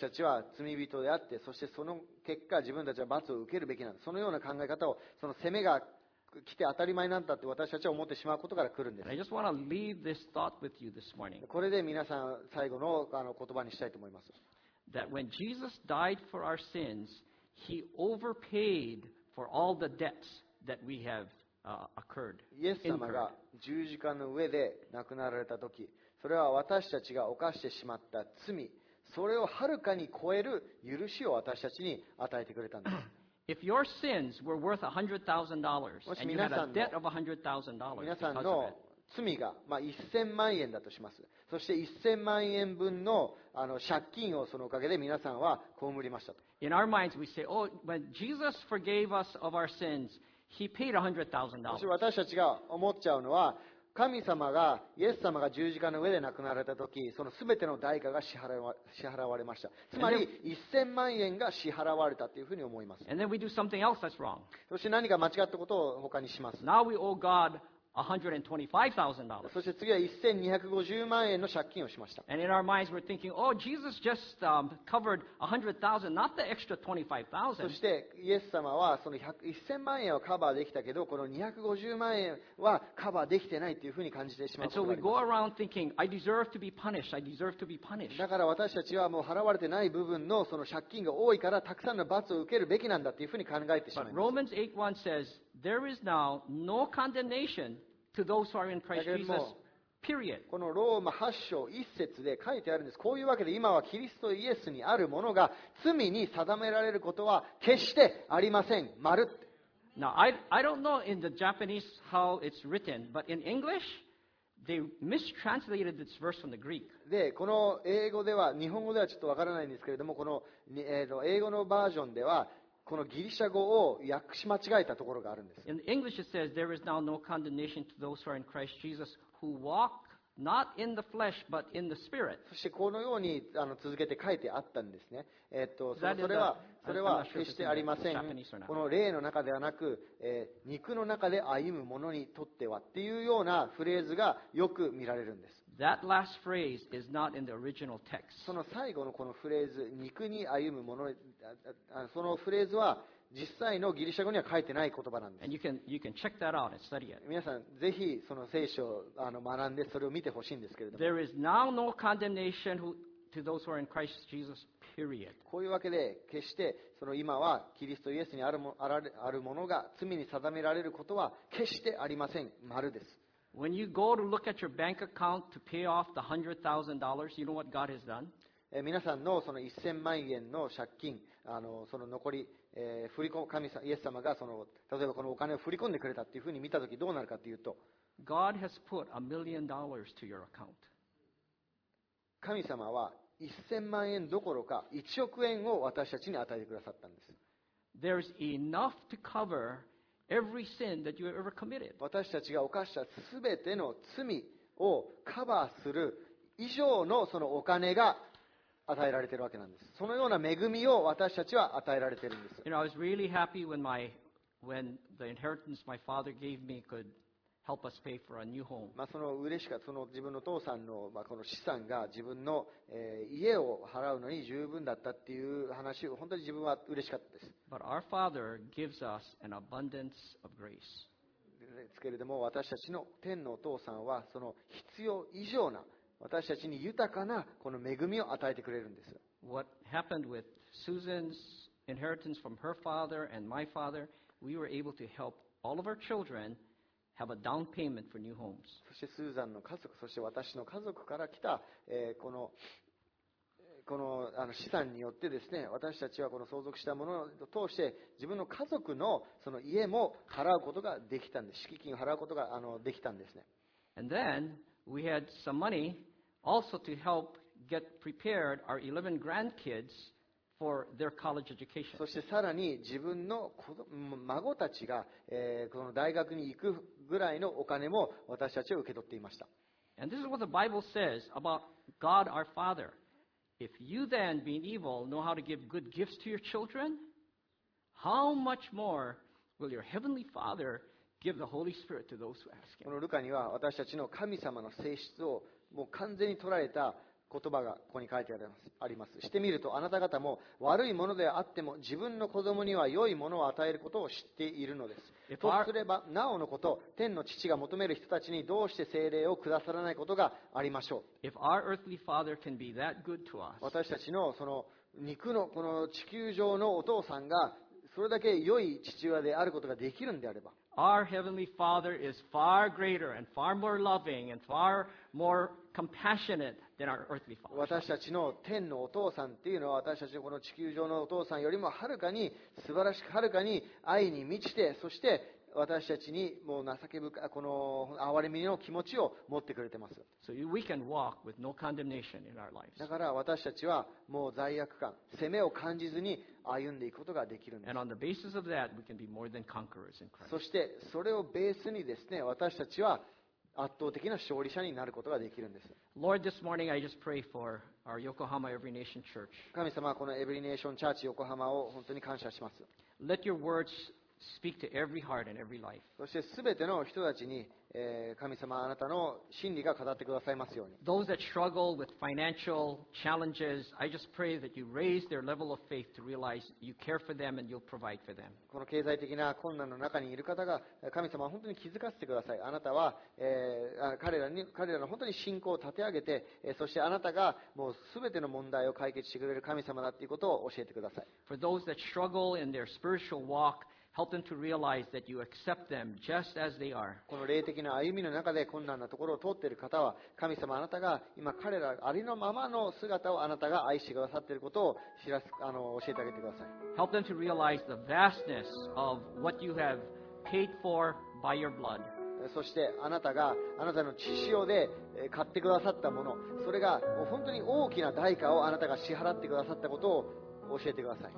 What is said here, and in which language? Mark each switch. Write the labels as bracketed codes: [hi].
[ja] たちは罪人であって、そしてその結果自分たちは罰を受けるべきなんです。そのような考え方を、その責めが来て当たり前なんだって私たちは思ってしまうことから来るんです。 [en] I just want to leave this thought with you this morning. [ja] これで皆さん最後の言葉にしたいと思います。 [en] That when Jesus died for our sins, He overpaid for all the debts that we have occurred. [ja] イエス様が十字架の上で亡くなられた時、それは私たちが犯してしまった罪、それをはるかに超える許しを私たちに与えてくれたんです。 [en] If your sins were worth $100,000 and you had a debt of $100,000, [ja] 皆さんの罪が、まあ、1000万円だとします。そして1000万円分の、借金をそのおかげで皆さんは被りましたと。 [en] In our minds, we say, "Oh, when Jesus forgave us of our sins, He paid $100,000." [ja] 私たちが思っちゃうのは、神様がイエス様が十字架の上で亡くなられた時、そのすべての代価が支払われました。つまり1000万円が支払われたというふうに思います。 [en] And then we do something else that's wrong. [ja] そして何か間違ったことを他にします。 [en] Now we owe God $125,000. [ja] そして次は1250万円の借金をしました。 [en] And in our minds we're thinking, "Oh, Jesus just covered $100,000, not the extra $25,000." [ja] そしてイエス様はその1000万円をカバーできたけど、この250万円はカバーできてないというふうに感じてしまうことがあります。 [en] And so we go around thinking, "I deserve to be punished. I deserve to be punished." [ja] だから私たちはもう払われてない部分のその借金が多いから、たくさんの罰を受けるべきなんだというふうに考えてしまいます。 [en] But Romans 8:1 says,There is now no condemnation to those who are in Christ Jesus. Period. [ja] このローマ8章1節で書いてあるんです。こういうわけで今はキリストイエスにあるものが罪に定められることは決してありません。まるって。 [en] Now, I don't know in the Japanese how it's written, but in English, they mistranslated this verse from the Greek. [ja] で、この英語では、日本語ではちょっとわからないんですけれども、この、英語のバージョンでは、このギリシャ語を訳し間違えたところがあるんです。 [en] In English it says, "There is now no condemnation to those who are in Christ Jesus, who walk not in the flesh but in the Spirit." [ja] そしてこのように続けて書いてあったんですね。それは決してありません。この霊の中ではなく、肉の中で歩む者にとってはっていうようなフレーズがよく見られるんです。 [en] That last phrase is not in the original text. [ja] その最後のこのフレーズ、肉に歩む者に、そのフレーズは実際のギリシャ語には書いてない言葉なんです。 [en] And you can check that out and study it. [ja] 皆さんぜひその聖書を学んでそれを見てほしいんですけれども。 [en] There is now no condemnation to those who are in Christ Jesus. Period. [ja] こういうわけで決してその今はキリストイエスにあるものが罪に定められることは決してありません。まるです。 [en] When you go to look at your bank account to pay off the $100,000, you know what God has done? [ja] 皆さんのその1000万円の借金、その残り、振り込む神様、イエス様がその例えばこのお金を振り込んでくれたというふうに見たときどうなるかというと、 [en] God has put $1,000,000 to your account. [ja] 神様は1000万円どころか1億円を私たちに与えてくださったんです。 There's enough to cover every sin that you ever committed. 私たちが犯したすべての罪をカバーする以上のそのお金が与えられているわけなんです。そのような恵みを私たちは与えられているんです。 [en] You know, I was really happy when the inheritance my father gave me could help us pay for a new home. [ja] まあ、その嬉しかった、その自分の父さんの、まあ、この資産が自分の、家を払うのに十分だったっていう話を本当に自分は嬉しかったです。 [en] But our Father gives us an abundance of grace. [ja] ですけれども、私たちの天のお父さんはその必要以上な私たちに豊かなこの恵みを与えてくれるんです。 [en] What happened with Susan's inheritance from her father and my father, we were able to help all of our children. Have a down payment for new homes. [ja] そしてスーザンの家族、そして私の家族から来た、この資産によってですね、私たちはこの相続したものを通して自分の家族 の, その家も払うことができたんです。敷金を払うことができたんですね。 [en] And then we had some money also to help get prepared our 11 grandkids. For their college education. [ja] そしてさらに自分の子供孫たちが、この大学に行くぐらいのお金も私たちは受け取っていました。 [en] And this is what the Bible says about God our Father. If you then, being evil, know how to give good gifts to your children, how much more will your heavenly Father give the Holy Spirit to those who ask Him? [ja] このルカには私たちの神様の性質をもう完全に捉えた言葉がここに書いてあります。してみると、あなた方も悪いものであっても、自分の子供には良いものを与えることを知っているのです。とすれば、なおのこと、天の父が求める人たちにどうして聖霊を下さらないことがありましょう。 [en] If our earthly father can be that good to us, [ja] 私たちのその肉のこの地球上のお父さんが、それだけ良い父親であることができるんであれば、 [en] Our heavenly Father is far greater and far more loving and far more compassionate than our earthly father. [ja] 私たちの天のお父さんっていうのは私たちのこの地球上のお父さんよりもはるかに素晴らしくはるかに愛に満ちてそして私たちにもう情け深いこの憐れみの気持ちを持ってくれてます。 [en] So we can walk with no condemnation in our lives. [ja] だから私たちはもう罪悪感、責めを感じずに歩んでいくことができるんです。 [en] And on the basis of that, we can be more than conquerors in Christ. [ja] そしてそれをベースにですね、私たちは圧倒的な勝利者になることができるんです。 [en] Lord, this morning I just pray for our Yokohama Every Nation Church. [ja] 神様、この Every Nation Church 横浜を本当に感謝します。 [en] Let your words Speak to every heart and every life. [ja] そして全ての人たちに、神様あなたの真理が語ってくださいますように。 [en] Those that struggle with financial challenges, I just pray that you raise their level of faith to realize you care for them and you'll provide for them. [ja] この経済的な困難の中にいる方が、神様本当に気づかせてください。あなたは、彼らの本当に信仰を立て上げて、そしてあなたがもう全ての問題を解決してくれる神様だということを教えてください。 [en] For those that struggle in their spiritual walk,Help them to realize that you accept them just as they are. [ja] この霊的な歩みの中で困難なところを通っている方は、神様あなたが今彼らありのままの姿をあなたが愛してくださっていることを知らす、教えてあげてください。 [en] Help them to realize the vastness of what you have paid for by your blood. [ja] そしてあなたがあなたの血潮で買ってくださったもの、それが本当に大きな代価をあなたが支払ってくださったことを教えてください。